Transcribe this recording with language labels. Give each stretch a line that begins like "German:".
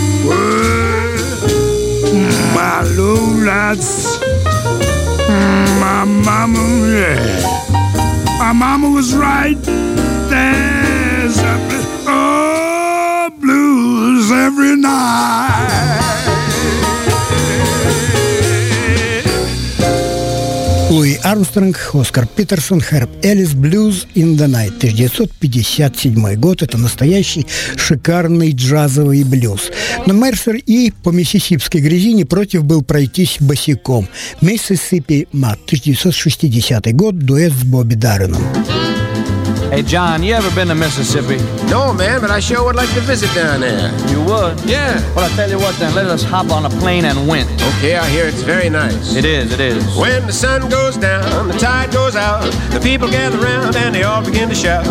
English: Oh, my lolas, my mama, yeah. My mama was right. There's a blues every night.
Russian: Луи Армстронг, Оскар Питерсон, Херб Эллис, «Blues in the Night», 1957 год. Это настоящий шикарный джазовый блюз. Но Мерсер и по миссисипской грязи не против был пройтись босиком. «Mississippi Mud», 1960 год, дуэт с Бобби Дарреном.
English: Hey, John, you ever been to Mississippi? No, man, but I sure would like to visit down there. You would? Yeah. Well, I tell you what, then, let us hop on a plane and went. Okay, I hear it's very nice. It is, it is. When the sun goes down, the tide goes out, the people gather round and they all begin to shout.